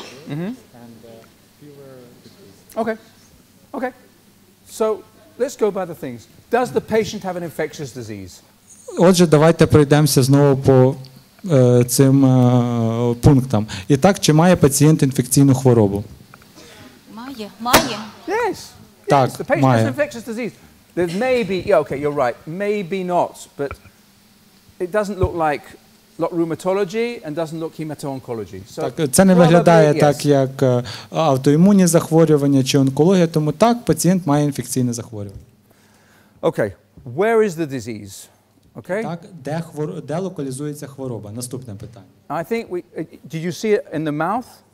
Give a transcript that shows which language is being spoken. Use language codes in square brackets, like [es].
[en] Okay. Okay. So, let's go by the things. Does the patient have an infectious disease? [uk] Отже, давайте пройдемося знову по цим пунктам. І так, чи має пацієнт інфекційну хворобу? Має. [en] Yes. [uk] Так, [en] the patient [uk] має. [en] Has an infectious disease. There may be, yeah, okay, you're right. Maybe not, but it doesn't look like look rheumatology and doesn't look hemato-oncology. [uk] So, так, це не виглядає так, як автоімунні захворювання чи онкологія, тому так, пацієнт має інфекційне захворювання. [en] Okay. Where is the disease? Okay? [uk] Так, де локалізується хвороба? Наступне питання. [en] I think we did you see it in the mouth?